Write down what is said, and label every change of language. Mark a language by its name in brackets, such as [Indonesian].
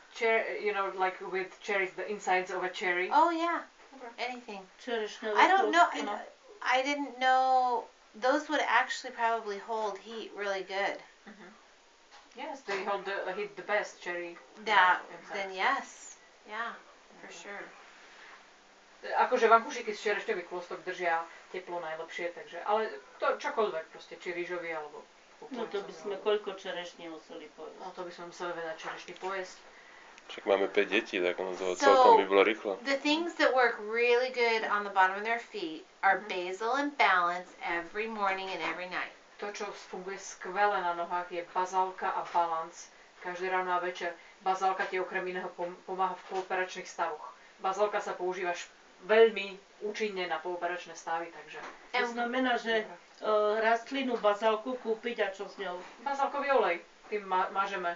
[English] You know, like with cherries, the insides of a cherry. Oh, yeah. Anything. I don't know. I didn't know. Those would actually probably hold heat really good. Yes, they hold the, hit the best cherry. Yeah, then yes. Yeah, for sure. [Slovak] Akože vankúšiky z čerešťový klostok držia teplo najlepšie, takže, ale to čokoľvek proste, či rýžový, alebo kukuricový. No to by sme koľko čerešní museli pojesť? No to by sme museli veľa čerešní pojesť. Však máme 5 detí, tak ono toho celkom by bolo rýchlo. [English] The things that work really good on the bottom of their feet are basil and balance every morning and every night. [Slovak] To, čo funguje skvele na nohách, je bazálka a balance každé ráno a večer. Bazálka ti okrem iného pomáha v pooperačných stavoch. Bazálka sa používa veľmi účinne na pooperačné stavy, takže... To znamená, že rastlinu bazálku kúpiť a čo s ňou? Bazálkový olej, tým mažeme.